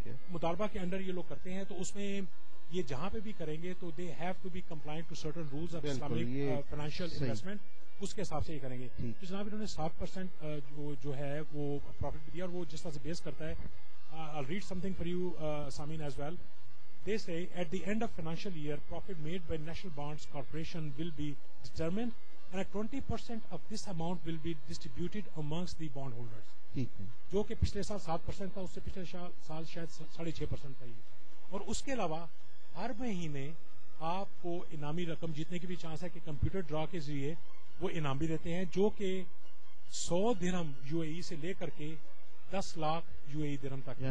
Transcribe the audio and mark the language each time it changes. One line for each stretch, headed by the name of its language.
Urdu: مداربا کے انڈر یہ لوگ کرتے ہیں تو اس میں یہ جہاں پہ بھی کریں گے تو
English: they have to be compliant to certain rules of Islamic financial investment,
Urdu: اس کے حساب سے یہ کریں گے. تو جناب انہوں نے 7% جو ہے وہ پروفٹ دیا. اور وہ جس طرح سے بیس کرتا ہے,
English: I'll read something for you, Samin, as well. They say, at the end of financial year, profit made by National Bonds Corporation will be determined and a 20% of this amount will be distributed amongst the bondholders.
Urdu: جو کہ پچھلے سال 7% تھا, اس سے پچھلے سال شاید 6.5% تھا یہ. اور اس کے علاوہ ہر مہینے آپ کو انعامی رقم جیتنے کی بھی چانس ہے کہ کمپیوٹر ڈرا کے ذریعے وہ انعام بھی دیتے ہیں, جو کہ 100 درہم یو اے ای سے لے کر کے 10 لاکھ یو اے ای درہم تک,